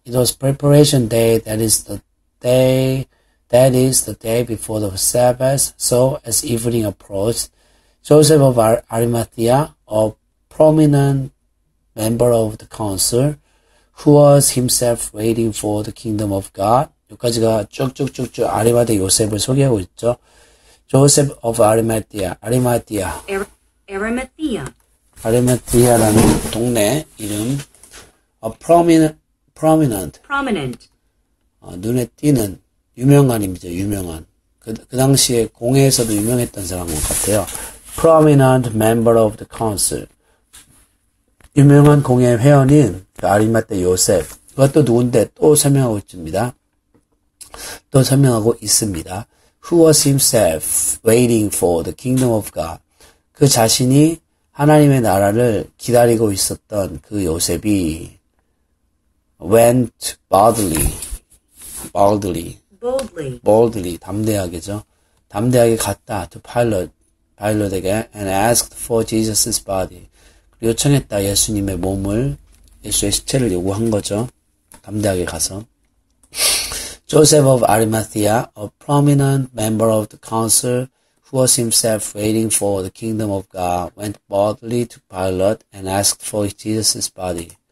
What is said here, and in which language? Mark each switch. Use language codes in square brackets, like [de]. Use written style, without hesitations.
[en] It was preparation day, that is the day before the Sabbath. So, as evening approached, Joseph of Arimathea, a prominent member of the council, who was himself waiting for the kingdom of God. [ko] 여기까지가 쭉쭉쭉쭉 아리마데 요셉을 소개하고 있죠. [en] Joseph of Arimathea. [ko] Arimathea라는 동네 이름. [en] A prominent. [ko] 눈에 띄는 유명한입니다. 유명한. 그 당시에 공회에서도 유명했던 사람 것 같아요. [en] Prominent member of the council. [ko] 유명한 공예 회원인 그 아리마테 요셉, 그것도 누군데 또 설명하고 있습니다. 또 설명하고 있습니다. [en] Who was himself waiting for the kingdom of God? [ko] 그 자신이 하나님의 나라를 기다리고 있었던 그 요셉이 [en] went boldly, [ko] 담대하게죠. 담대하게 갔다 to Pilate에게 [en] and asked for Jesus' body. [ko] 요청했다 예수님의 몸을, 예수의 시체를 요구한 거죠. 담대하게 가서. [en] Joseph of Arimathea, a prominent member of the council who was himself waiting for the kingdom of God, went boldly to Pilate and asked for Jesus' body.